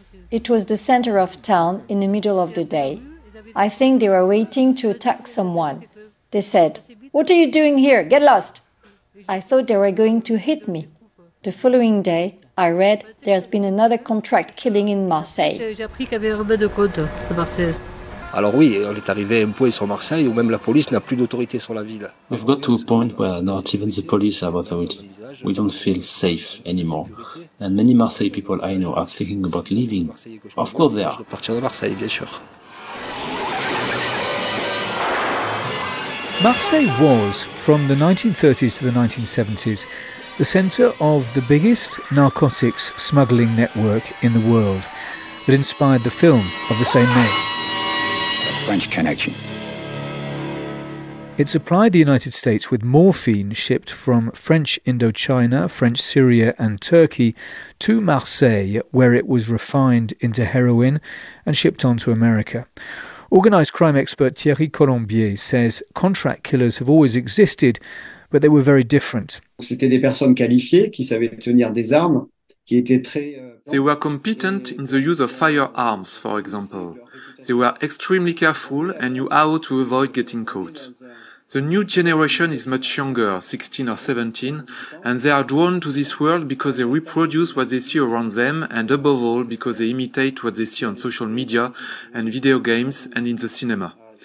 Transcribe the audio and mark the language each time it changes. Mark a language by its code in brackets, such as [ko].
[en] It was the center of town in the middle of the day. I think they were waiting to attack someone. They said, "What are you doing here? Get lost!" I thought they were going to hit me. The following day, I read there's been another contract killing in Marseille. [fr] Alors oui, on est arrivé un point sur Marseille où même la police n'a plus d'autorité sur la ville. [en] We've got to a point where not even the police have authority. We don't feel safe anymore. And many Marseille people I know are thinking about leaving. Of course they are. [fr] Partir de Marseille, bien sûr. [en] Marseille was, from the 1930s to the 1970s, the center of the biggest narcotics smuggling network in the world that inspired the film of the same name. French connection. It supplied the United States with morphine shipped from French Indochina, French Syria and Turkey to Marseille, where it was refined into heroin and shipped on to America. Organized crime expert Thierry Colombier says contract killers have always existed, but they were very different. [fr] C'était des personnes qualifiées qui savaient tenir des armes, qui étaient très... [en] They were competent in the use of firearms, for example. They were extremely careful and knew how to avoid getting caught. The new generation is much younger, 16 or 17, and they are drawn to this world because they reproduce what they see around them and above all because they imitate what they see on social media and video games and in the cinema.